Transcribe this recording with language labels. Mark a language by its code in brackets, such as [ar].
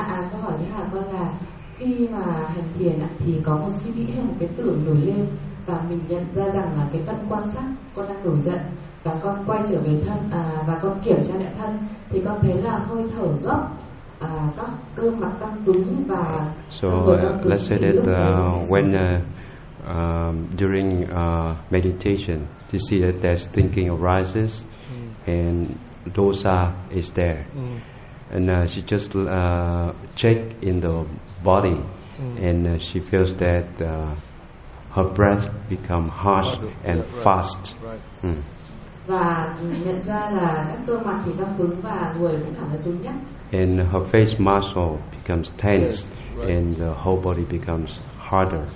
[vi] Câu hỏi thứ hai con là khi mà hành thiền thì có một suy nghĩ hay một cái tưởng nổi lên, và mình nhận ra rằng là cái tâm quan sát con đang nổi giận, và con quay trở về thân và con kiểm tra lại thân, thì con thấy là hơi thở gấp, các cơ mặt căng cứng và [en] so let's say that when during meditation you see that there's thinking arises and dosa is there, and she just check in the body, and she feels that her breath become harsh and fast. [vi] Và nhận ra là các cơ mặt thì căng cứng và người cũng cảm thấy cứng nhắc. [en] And her face muscle becomes tense, and the whole body becomes harder.